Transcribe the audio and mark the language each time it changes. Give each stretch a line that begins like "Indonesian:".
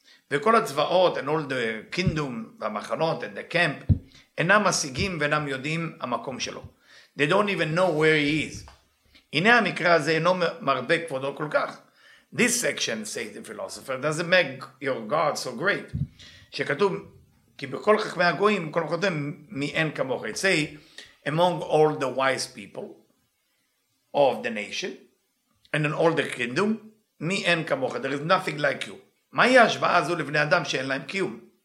Hebrew: וכל הצבאות
English: and all the kingdom
Hebrew: והמחנות
English: and the camp
Hebrew: אינם משיגים ואינם יודעים המקום שלו.
English: They don't even know where he is.
Hebrew: הנה המקרא הזה אינו מרבה כבודו כל כך.
English: This section, says the philosopher, doesn't make your God so great.
Hebrew: שכתוב, כי בכל חכמי הגויים, כל חכמים, מי אין כמוך.
English: It say, among all the wise people of the nation, and in all the kingdom,
Hebrew: מי אין כמוך.
English: There is nothing like you.
Hebrew: מהי ההשוואה הזו לבני אדם שאין להם קיום?